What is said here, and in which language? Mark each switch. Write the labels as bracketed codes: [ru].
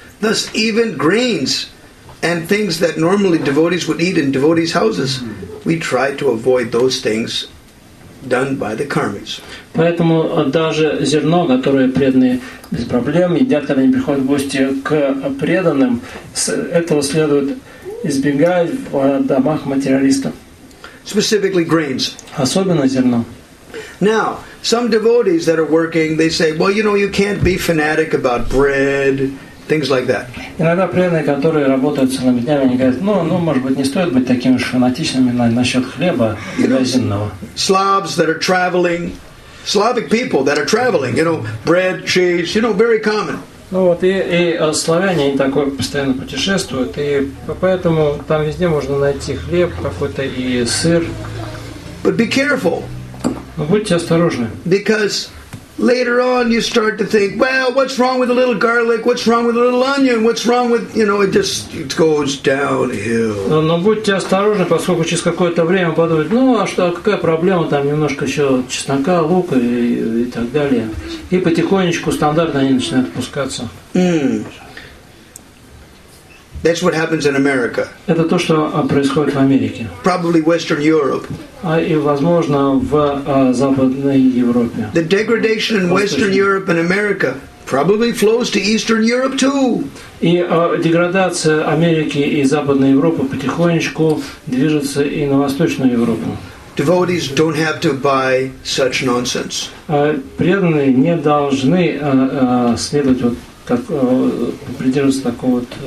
[en] Thus, even grains and things that normally devotees would eat in devotees' houses, we try to avoid those things done by the karmis. [ru] Поэтому даже зерно, которое преданные без проблем едят, когда они приходят в гости к преданным, этого следует избегать в домах материалистов. [en] Specifically grains. [ru] Особенно зерно. [en] Now, some devotees that are working, they say, well, you know, you can't be fanatic about bread things like that. [ru] Иногда преданные, которые работают целыми днями, они говорят, ну, может быть, не стоит быть такими фанатичными насчет хлеба магазинного. [en] Slavs that are traveling, Slavic people that are traveling, you know, bread, cheese, you know, very common. [ru] Ну вот, и славяне, они такое постоянно путешествуют, и поэтому там везде можно найти хлеб какой-то и сыр. [en] But be careful. [ru] Но будьте осторожны. [en] Because later on you start to think, well, what's wrong with a little garlic? What's wrong with a little onion? What's wrong with, you know, it goes downhill. [ru] Но будьте осторожны, поскольку через какое-то время подумают, ну а что, какая проблема, там немножко еще чеснока, лука и так далее. И потихонечку стандартно они начинают опускаться. [en] That's what happens in America. [ru] Это то, что происходит в Америке. [en] Probably Western Europe. [ru] И, возможно, в Западной Европе. [en] The degradation in Western Europe and America probably flows to Eastern Europe too. [ru] И деградация Америки и Западной Европы потихонечку движется и на Восточную Европу. [en] Devotees don't have to buy such nonsense. [ru] Преданные не должны следовать вот так, придерживаться такого вот